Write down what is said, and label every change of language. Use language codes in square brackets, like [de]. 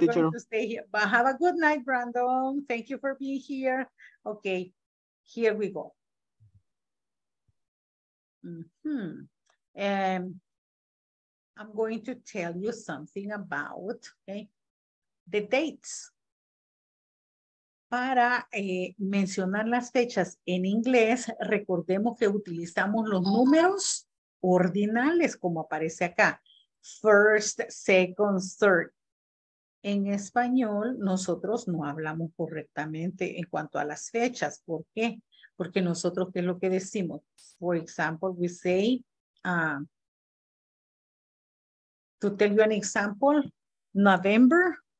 [en] teacher. To stay here. But have a good night, Brandon. Thank you for being here. Okay, here we go. Mm-hmm. I'm going to tell you something about the dates. [es] Para mencionar las fechas en inglés, recordemos que utilizamos los números ordinales, como aparece acá. [en] First, second, third. [es] En español, nosotros no hablamos correctamente en cuanto a las fechas. ¿Por qué? Porque nosotros, ¿qué es lo que decimos? [en] For example, we say, to tell you an example, November.